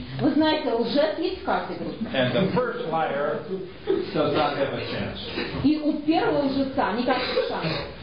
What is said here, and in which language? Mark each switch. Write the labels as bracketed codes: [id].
[ru] Вы знаете, лжец есть в каждой группе. [en] And the first liar does not have a chance. [ru] И у первого лжеца никакого шанса.